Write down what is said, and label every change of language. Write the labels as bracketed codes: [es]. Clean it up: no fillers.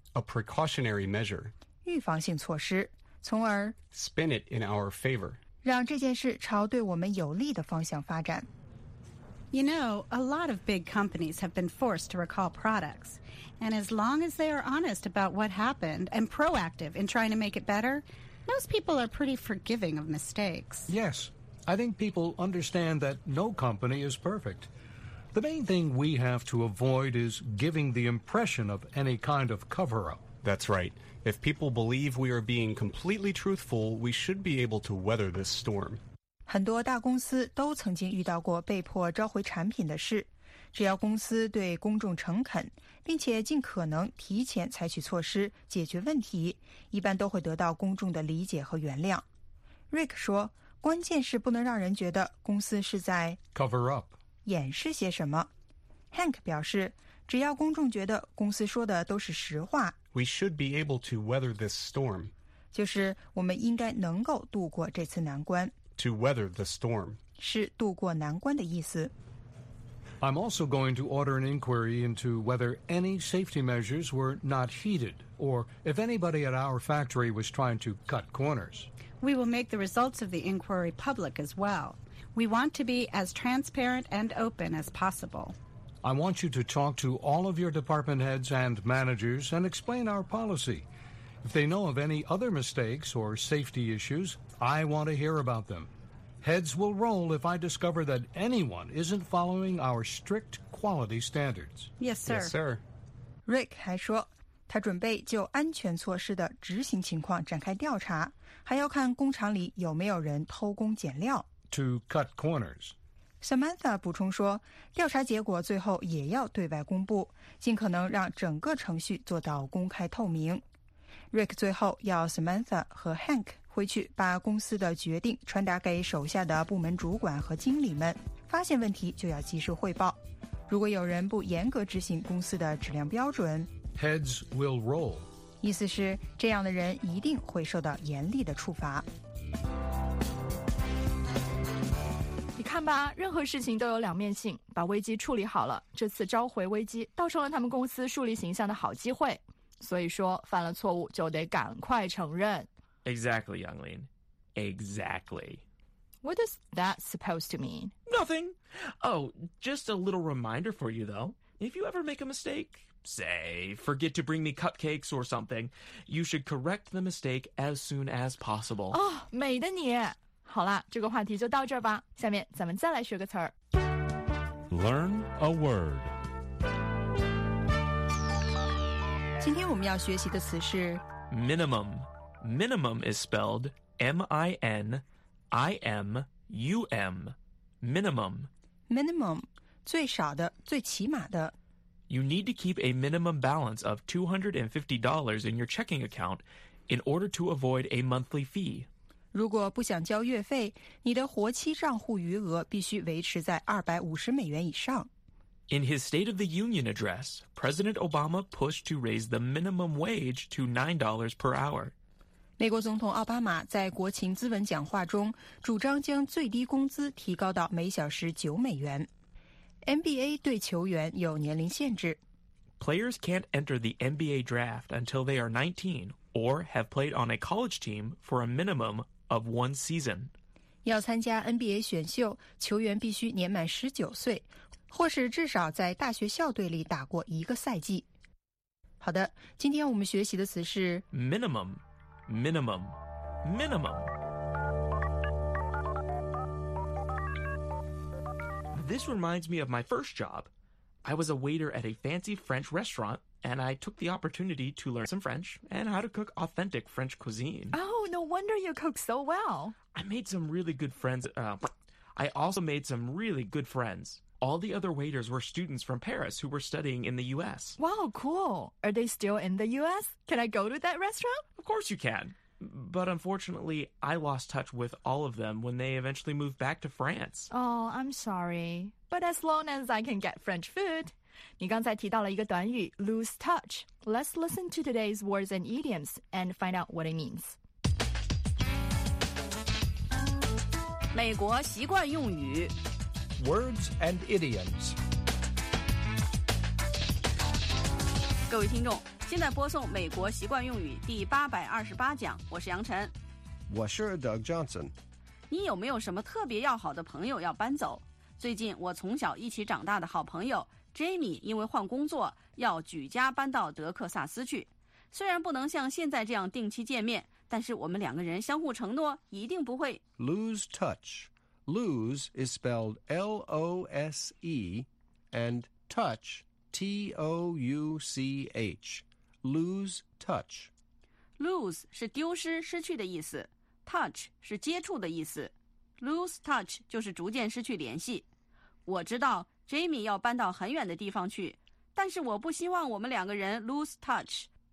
[en] a precautionary measure， [zh] 预防性措施，从而 [en] spin it in our favor， [zh] 让这件事朝对我们有利的方向发展。 [en] You know, a lot of big companies have been forced to recall products. And as long as they are honest about what happened and proactive in trying to make it better,Most people are pretty forgiving of mistakes. Yes, I think people understand that no company is perfect. The main thing we have to avoid is giving the impression of any kind of cover-up. That's right. If people believe we are being completely truthful, we should be able to weather this storm. [zh] 很多大公司都曾经遇到过被迫召回产品的事，只要公司对公众诚恳，并且尽可能提前采取措施解决问题，一般都会得到公众的理解和原谅。 Rick 说，关键是不能让人觉得公司是在 [en] cover up [zh] 掩饰些什么。 Hank 表示，只要公众觉得公司说的都是实话 [en] ，We should be able to weather this storm， [zh] 就是我们应该能够度过这次难关。 [en] To weather the storm [zh] 是度过难关的意思。 [en] I'm also going to order an inquiry into whether any safety measures were not heeded, or if anybody at our factory was trying to cut corners. We will make the results of the inquiry public as well. We want to be as transparent and open as possible. I want you to talk to all of your department heads and managers and explain our policy. If they know of any other mistakes or safety issues, I want to hear about them. Heads will roll if I discover that anyone isn't following our strict quality standards. Yes, sir. Yes, sir. [zh] Rick 还说，他准备就安全措施的执行情况展开调查，还要看工厂里有没有人偷工减料。 [en] To cut corners. [zh] Samantha 补充说，调查结果最后也要对外公布，尽可能让整个程序做到公开透明。 Rick 最后要 Samantha 和 Hank回去把公司的决定传达给手下的部门主管和经理们，发现问题就要及时汇报。如果有人不严格执行公司的质量标准，Heads will roll，意思是这样的人一定会受到严厉的处罚。你看吧，任何事情都有两面性，把危机处理好了，这次召回危机倒成了他们公司树立形象的好机会。所以说，犯了错误就得赶快承认。 [en] Exactly, Younglin. Exactly. What is that supposed to mean? Nothing. Oh, just a little reminder for you, though. If you ever make a mistake, say, forget to bring me cupcakes or something, you should correct the mistake as soon as possible. [zh] Oh, 美的你。好了，这个话题就到这儿吧。下面咱们再来学个词儿。 [en] Learn a word. [zh] 今天我们要学习的词是 [en] Minimum. Minimum is spelled M-I-N-I-M-U-M. Minimum. [zh] Minimum. 最少的,最起码的。 [en] You need to keep a minimum balance of $250 in your checking account in order to avoid a monthly fee. [zh] 如果不想交月费,你的活期账户余额必须维持在250美元以上。 [en] In his State of the Union address, President Obama pushed to raise the minimum wage to $9 per hour. [zh] 美国总统奥巴马在国情咨文讲话中主张将最低工资提高到每小时9美元。 NBA 对球员有年龄限制。 [en] Players can't enter the NBA draft until they are 19 or have played on a college team for a minimum of one season. [zh] 要参加 NBA 选秀，球员必须年满19岁，或是至少在大学校队里打过一个赛季。好的，今天我们学习的词是 [en] Minimum. Minimum, minimum. This reminds me of my first job. I was a waiter at a fancy French restaurant, and I took the opportunity to learn some French and how to cook authentic French cuisine. Oh, no wonder you cook so well. I also made some really good friends. All the other waiters were students from Paris who were studying in the U.S. Wow, cool. Are they still in the U.S.? Can I go to that restaurant? Of course you can. But unfortunately, I lost touch with all of them when they eventually moved back to France. Oh, I'm sorry. But as long as I can get French food. [zh] 你刚才提到了一个短语 lose touch. [en] Let's listen to today's words and idioms and find out what it means. [zh] 美国习惯用语 [en] Words and idioms. [zh] 各位听众现在播送美国习惯用语第828讲，我是杨晨。我是 Doug Johnson。你有没有什么特别要好的朋友要搬走？最近我从小一起长大的好朋友 Jamie 因为换工作要举家搬到德克萨斯去。虽然不能像现在这样定期见面，但是我们两个人相互承诺一定不会 [en] lose touch. Lose is spelled L-O-S-E and touch. T-O-U-C-H, lose touch. [zh] Lose 是丢失、失去的意思 ，touch 是接触的意思。 Lose touch 就是逐渐失去联系。我知道 Jamie 要搬到很远的地方去，但是我不希望我们两个人 lose touch。